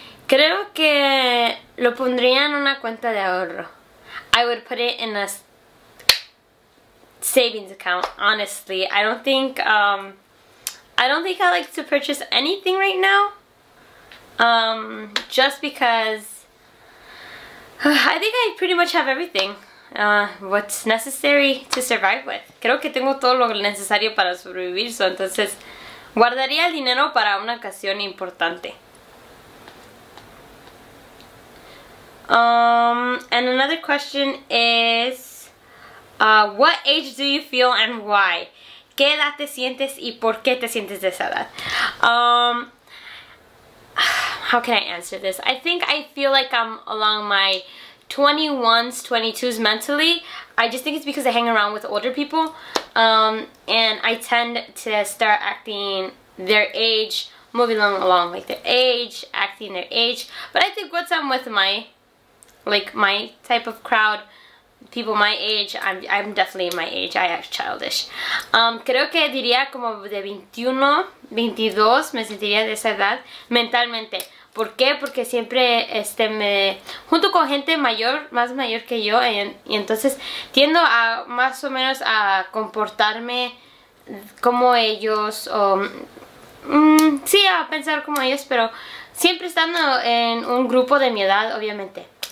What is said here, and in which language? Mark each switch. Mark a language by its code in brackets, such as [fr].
[es] Creo que lo pondría en una cuenta de ahorro. [en] I would put it in a savings account, honestly. I don't think I like to purchase anything right now. Just because I think I pretty much have everything. What's necessary to survive with. [es] Creo que tengo todo lo necesario para sobrevivir, so entonces guardaría el dinero para una ocasión importante. [en] And another question is, what age do you feel and why? [es] ¿Qué edad te sientes y por qué te sientes de esa edad? [en] How can I answer this? I think I feel like I'm along my 21s, 22s mentally. I just think it's because I hang around with older people. And I tend to start acting their age, moving along like their age, acting their age. But I think once I'm with my, like my type of crowd, people my age, I'm definitely my age, I act childish. [es] Creo que diría como de 21, 22, me sentiría de esa edad mentalmente. ¿Por qué? Porque siempre me junto con gente mayor, más mayor que yo, y entonces tiendo a más o menos a comportarme como ellos, o sí, a pensar como ellos, pero siempre estando en un grupo de mi edad, obviamente.